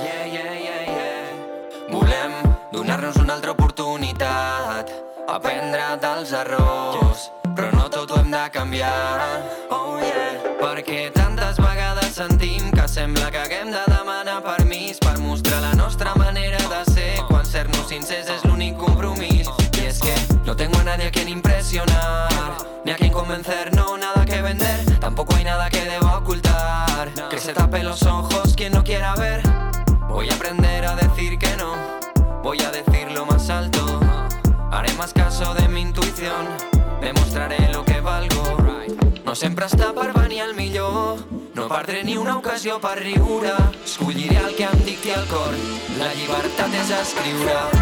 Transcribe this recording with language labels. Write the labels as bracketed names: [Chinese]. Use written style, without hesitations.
[English] Yeah, yeah, yeah, yeah. [Catalan] Volem donar-nos una altra oportunitat, aprendre dels errors, però no tot ho hem de canviar. [English] Oh yeah. [Catalan] Perquè tantes vegades sentim que sembla que haguem de demanar permís per mostrar la nostra manera de ser, quan ser-nos sincers és l'únic compromís. I és que [Spanish] no tengo a nadie a quien impresionar, ni a quien convencer, no, nada que vender, tampoco hay nada que deba ocultar. Que se tape los ojos quien no quiera ver. Voy a aprender a decir que no, voy a decirlo más alto, haré más caso de mi intuición, demostraré lo que valgo. [Catalan] No sempre està per venir el millor, no perdré ni una ocasió per riure, escolliré el que em dicti el cor, la llibertat és escriure.